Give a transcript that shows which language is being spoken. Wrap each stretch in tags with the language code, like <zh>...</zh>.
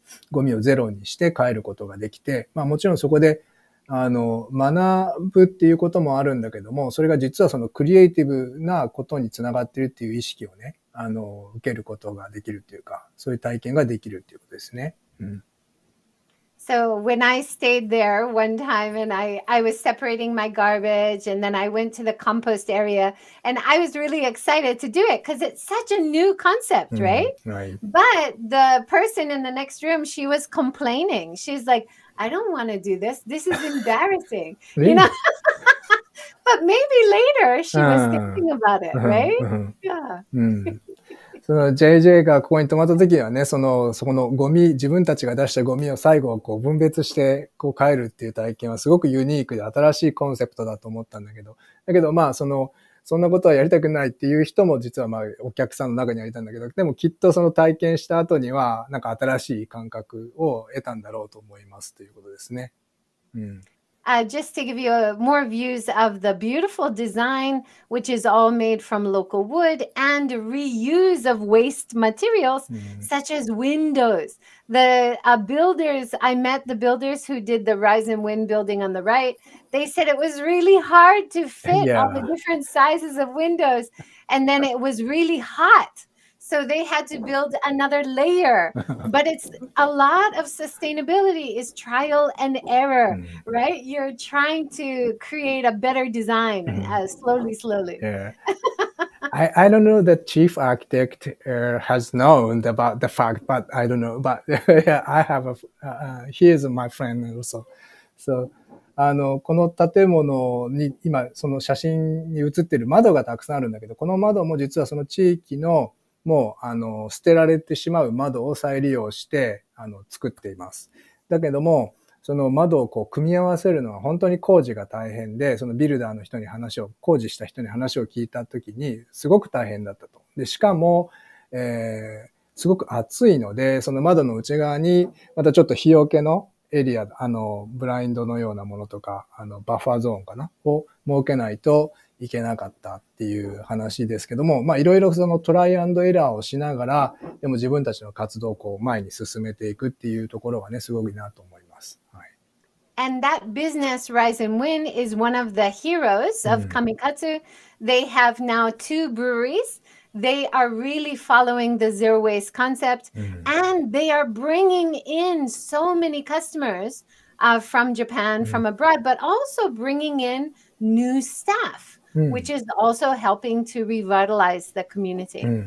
<ja>ゴミをゼロにして帰ることができて、まあもちろんそこで、学ぶっていうこともあるんだけども、それが実はそのクリエイティブなことにつながってるっていう意識をね、受けることができるっていうか、そういう体験ができるっていうことですね。</ja> <en>So when I stayed there one time and I was separating my garbage and then I went to the compost area and I was really excited to do it because it's such a new concept, right? But the person in the next room, she was complaining. She's like, I don't want to do this. This is embarrassing. You know? But maybe later she was thinking about it, right?</en> <ja>その JJ がここに泊まった時はね、その、そこのゴミ、自分たちが出したゴミを最後はこう分別してこう帰るっていう体験はすごくユニークで新しいコンセプトだと思ったんだけど、だけどまあその、そんなことはやりたくないっていう人も実はまあお客さんの中にはいたんだけど、でもきっとその体験した後にはなんか新しい感覚を得たんだろうと思いますということですね。</ja> <en>Just to give you more views of the beautiful design, which is all made from local wood and reuse of waste materials, such as windows. The builders, I met the builders who did the Rise and Wind building on the right. They said it was really hard to fit all the different sizes of windows. And then it was really hot. So they had to build another layer. But it's a lot of sustainability is trial and error, right? You're trying to create a better design slowly. Yeah. I don't know the chief architect has known about the fact, but I don't know. But I have a, he is my friend also.</en> <ja>So,この建物に今その写真に写ってる窓がたくさんあるんだけど、この窓も実はその地域のもう捨てられてしまう窓を再利用して作っています。だけども、その窓をこう組み合わせるのは本当に工事が大変で、そのビルダーの人に話を、工事した人に話を聞いたときにすごく大変だったと。で、しかも、すごく暑いので、その窓の内側にまたちょっと日よけのエリア、ブラインドのようなものとか、バッファーゾーンかな、を設けないといけなかったっていう話ですけども、まあいろいろそのトライアンドエラーをしながら、でも自分たちの活動をこう前に進めていくっていうところがね、すごいなと思います。はい。</ja> <en>And that business, Rise and Win, is one of the heroes of Kamikatsu. They have now two breweries. They are really following the zero waste concept and they are bringing in so many customers from Japan, from abroad, but also bringing in new staff, which is also helping to revitalize the community.</en>